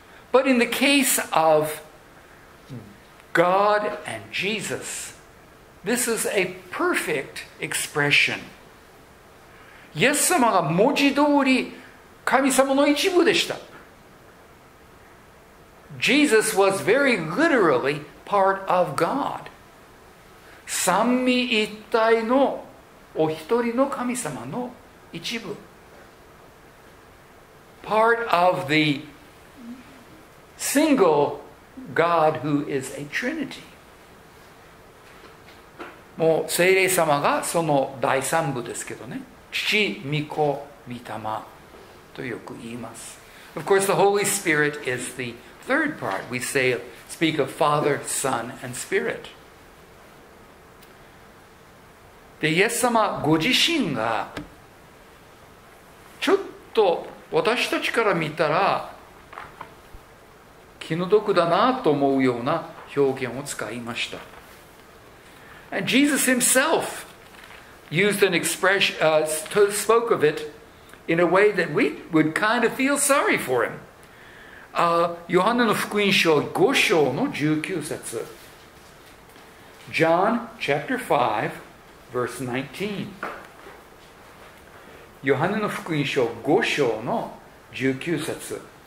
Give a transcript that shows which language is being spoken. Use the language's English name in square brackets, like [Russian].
[English] But in the case of God and Jesus,This is a perfect expression. [Japanese] イエス様が文字通り神様の一部でした。 [English] Jesus was very literally part of God. [Japanese] 三位一体のお一人の神様の一部。 [English] Part of the single God who is a Trinity. [Japanese] もう聖霊様がその第三部ですけどね。父、御子、御霊とよく言います。 [English] Of course, the Holy Spirit is the third part. We speak of Father, Son, and Spirit. [Japanese] で、イエス様ご自身がちょっと私たちから見たら気の毒だなと思うような表現を使いました。 [English] And Jesus himself used an expression, spoke of it in a way that we would kind of feel sorry for him. [Japanese] ヨハネの福音書5章の19節。 [English] John chapter 5, verse 19. [Japanese] ヨハネの福音書5章の19節。